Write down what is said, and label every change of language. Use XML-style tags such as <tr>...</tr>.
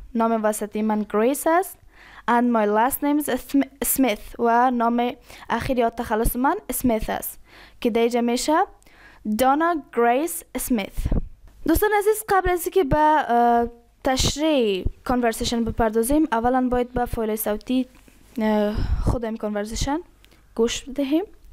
<fa>نام وسطی من Grace است.</fa> <en>And my last name is Smith.</en> <fa>و نام اخیر یا تخلص من Smith است که دیگه میشه Donna Grace Smith. دوستان عزیز، قبل از اینکه به تشریح کانورسیشن بپردازیم، اولا باید به فایل صوتی خود این کانورسیشن گوش دهیم.</fa>